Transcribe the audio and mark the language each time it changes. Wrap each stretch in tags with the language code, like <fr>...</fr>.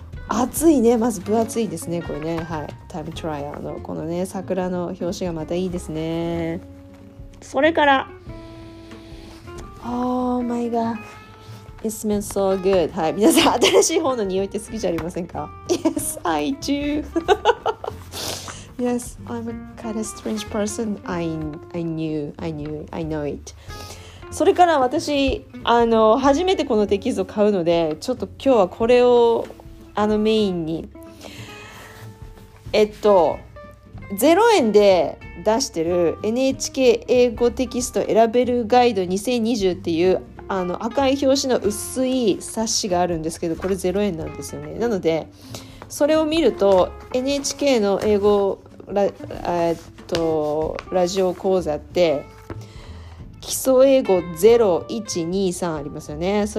<ja>暑いね、まず分厚いですねこれね、はい、タイムトライアルのこのね桜の表紙がまたいいですね。それから、</ja> <en>Oh my god, it smells so good。</en> <ja>はい、皆さん新しい方の匂いって好きじゃありませんか？</ja> <en>Yes, I do Yes, I'm a kind of strange person. I knew it.</en> <ja>それから私、初めてこのテキスト買うので、ちょっと今日はこれをメインに、 0円で出してる NHK 英語テキスト選べるガイド2020っていう、赤い表紙の薄い冊子があるんですけど、これ0円なんですよね。なのでそれを見ると NHK の英語ラジオ講座って基礎英語0123ありますよね。</ja>